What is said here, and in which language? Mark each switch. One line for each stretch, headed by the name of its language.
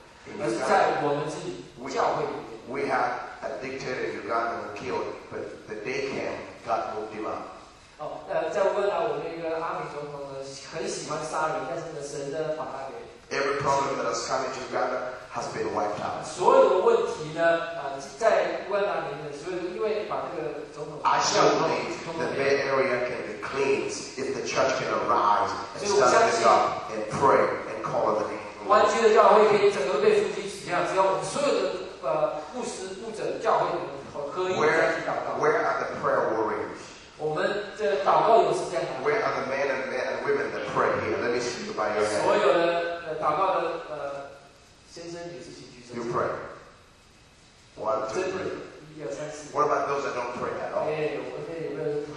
Chinese: 其实这个问题并不是在那些同性恋者，而是在我们自己教会里面。
English: We have a dictator in Uganda who killed, but the day came, God moved him up.
Chinese: 在温拿，我们那个阿米总统呢，很喜欢杀人，但是呢，神呢把他给。
English: Every problem that has come into Uganda has been wiped out.
Chinese: 所有的问题呢，在温拿里面，所有因为把这个总统。
English: I shall believe the Bay Area can be cleansed if the church can arise and stand up and pray and call on the name.
Chinese: 湾区的教会可以整个被复兴起来，只要我们所有的牧师、牧者、教会合一在一起祷告。
English: Where are the prayer warriors? Where are the men and men and women that pray here? Let me see you by your hand.
Chinese: 所有的祷告的先生也是请举手。
English: You pray. 1, 2, 3. What about those that don't pray at all?